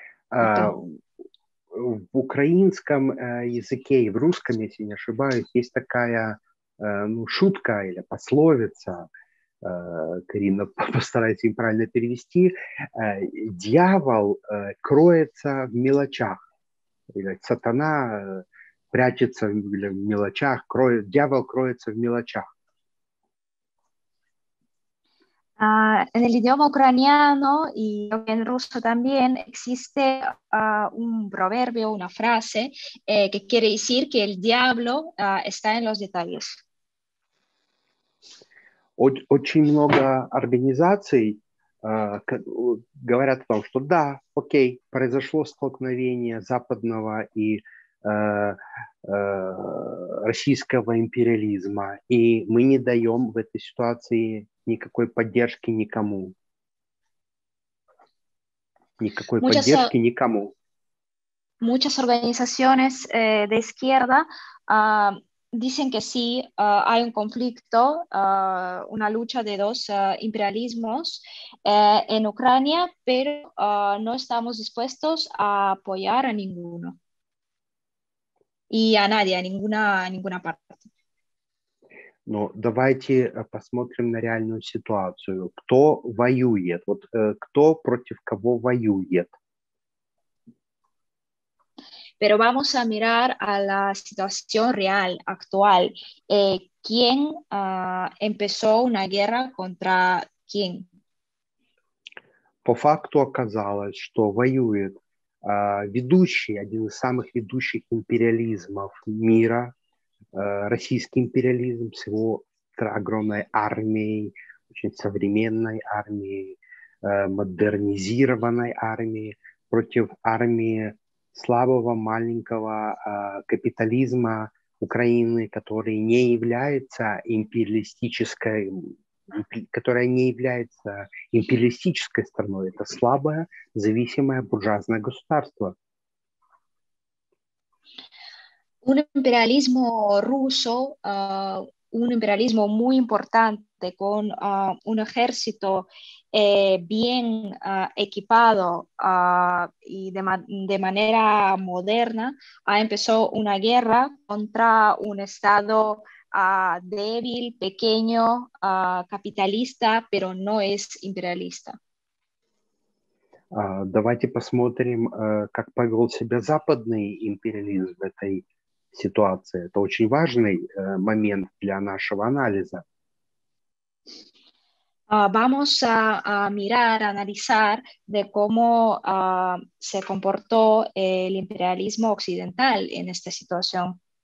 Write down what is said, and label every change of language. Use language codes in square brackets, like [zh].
[ru] В украинском языке и в русском, если не ошибаюсь, есть такая шутка или пословица, Карина, постарайтесь правильно перевести, дьявол кроется в мелочах. Сатана прячется в мелочах, дьявол кроется в мелочах. [es] En el idioma ucraniano y en ruso también existe un proverbio, una frase que quiere decir que el diablo está en los detalles. [ru] Очень много организаций говорят о том, что да, окей, произошло столкновение западного и российского империализма, и мы не даем в этой ситуации никакой поддержки никому. [es] Muchas organizaciones de izquierda dicen que sí, hay un conflicto, una lucha de dos imperialismos en Ucrania, pero no estamos dispuestos a apoyar a ninguno. [ru] И о Наде, ни на парте. Ну, давайте посмотрим на реальную ситуацию. Кто воюет? Вот кто против кого воюет? [es] Pero vamos a mirar a la situación real, actual. ¿Quién empezó una guerra contra quién? [ru] По факту оказалось, что воюет ведущий, один из самых ведущих империализмов мира, российский империализм с его огромной армией, очень современной армией, модернизированной армией, против армии слабого маленького капитализма Украины, который не является империалистической страной. Это слабое, зависимое буржуазное государство. [es] Un imperialismo ruso, un imperialismo muy importante con un ejército bien equipado y de manera moderna, ha empezado una guerra contra un estado débil, pequeño, capitalista, pero no es imperialista. [ru] Давайте посмотрим, как повел себя западный империализм в этой ситуации. Это очень важный момент для нашего анализа. [es] Vamos a mirar, a analizar de cómo se comportó el imperialismo occidental en esta situación.